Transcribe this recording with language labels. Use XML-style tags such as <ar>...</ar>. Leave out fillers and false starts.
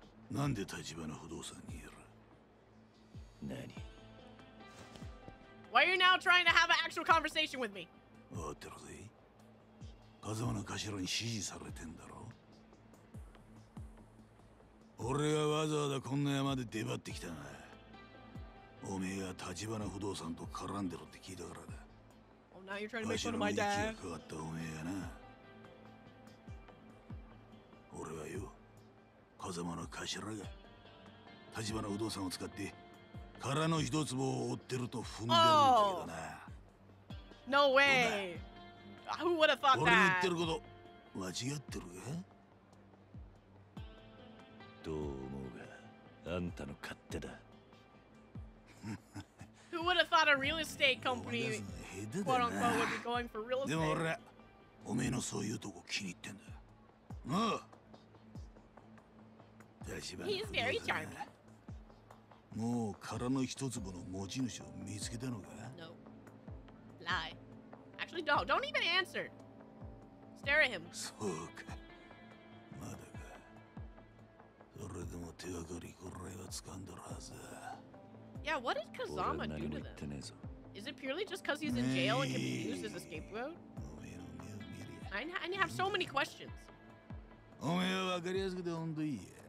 <ja>なんで立花不動産にいる？何？</ja> <en>Why are you now trying to have an actual conversation with me?</en> <ja>わかってるぜ。カズマの頭に指示されてんだろ。俺がわざわざこんな山で出張ってきたな。おめえが立花不動産と絡んでるって聞いたからだ。</ja> <en>Oh, now you're trying to make fun of my dad.</en> <ja>頭に息が変わったおめえがな。俺はよ。風間の頭が立花不動産を使って殻の一つを追ってると踏んでるんだけどな。</ja> <en>Oh. No way! Who would have thought that?</en> <ja>俺言ってること間違ってるか？どう思うが、あんたの勝手だ。</ja> <en>Who would have thought a real estate company, quote unquote, would be going for real estate?</en> <ja>でも俺、おめえのそういうとこ気に入ってんだ。ああ。</ja> <en>He's very charming.</en> <ja>もう殻の一粒の持ち主を見つけたのか？</ja> <en>No. Lie. Actually, don't even answer. Stare at him.</en> <ja>そうか。まだか。それでも手がかりくらいは掴んだはずだ。</ja> <en>Yeah, what did Kazama do to them? Is it purely just because he's in jail and can be used as a scapegoat? I have so many questions.</en> <ja>お前は分かりやすくて本当いいや。</ja>